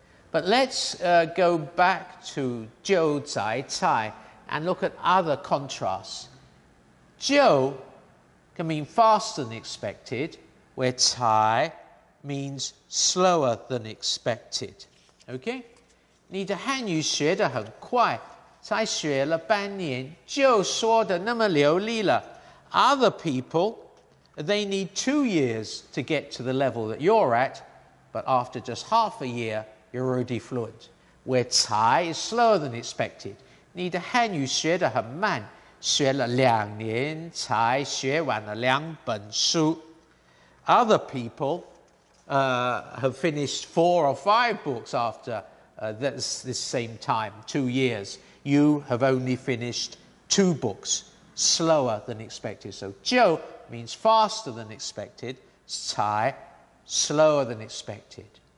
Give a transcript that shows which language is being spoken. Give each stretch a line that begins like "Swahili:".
English: But let's go back to 就在菜 and look at other contrasts. 就 can mean faster than expected, where 才 means slower than expected. Okay?
Chinese: 你的汉语学得很快, 才学了半年就说得那么流利了.
English: Other people, they need 2 years to get to the level that you're at, but after just half a year, you're already fluent. Where 才 is slower than expected.
Chinese: 你的汉语学得很慢, 学了两年才学完了两本书.
English: Other people have finished 4 or 5 books after this same time, 2 years. You have only finished 2 books, slower than expected. So 就 means faster than expected, 才 slower than expected.